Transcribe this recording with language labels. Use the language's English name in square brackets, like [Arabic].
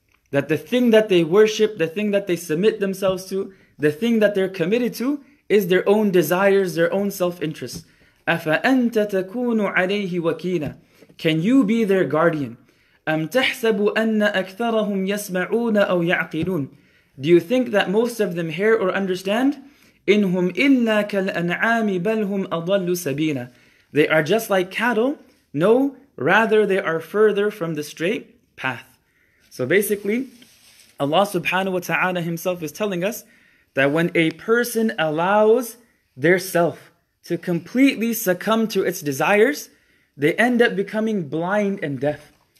[English] That the thing that they worship, the thing that they submit themselves to, the thing that they're committed to, is their own desires, their own self-interest. [Arabic] أَفَأَنْتَ تَكُونُ عَلَيْهِ وَكِيلًا. [English] Can you be their guardian? [Arabic] أَمْ تَحْسَبُ أَنَّ أَكْثَرَهُمْ يَسْمَعُونَ أَوْ يَعْقِلُونَ. [English] Do you think that most of them hear or understand? [Arabic] إِنْ هُمْ إِلَّا كَالْأَنْعَامِ بَلْ هُمْ أَضَلُّ سَبِيلًا. [English] They are just like cattle, No, rather they are further from the straight path. So basically, Allah subhanahu wa ta'ala himself is telling us that when a person allows their self to completely succumb to its desires, they end up becoming blind and deaf.